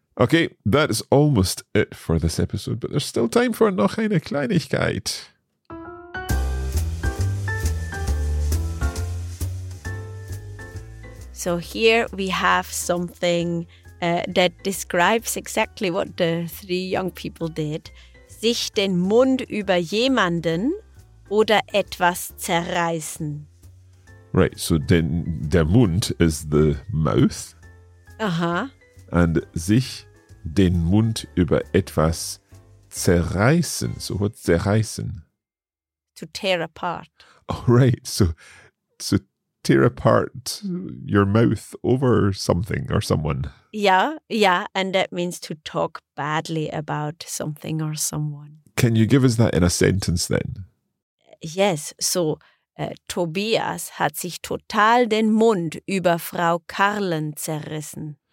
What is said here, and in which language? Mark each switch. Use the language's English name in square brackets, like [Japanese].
[English] Okay, that's almost it for this episode, but there's still time for [German] noch eine Kleinigkeit. [English] So here we have something that describes exactly what the three young people did. [German] Sich den Mund über jemanden oder etwas zerreißen. [English] Right, so der Mund is the mouth. Uh-huh. [German] And sich den Mund über etwas zerreißen. [English] So what's zerreißen? To tear apart. Oh, right, so to tear apart your mouth over something or someone. Yeah, yeah, and that means to talk badly about something or someone. Can you give us that in a sentence then? Yes, so [German] Tobias hat sich total den Mund über Frau Kahlen zerrissen.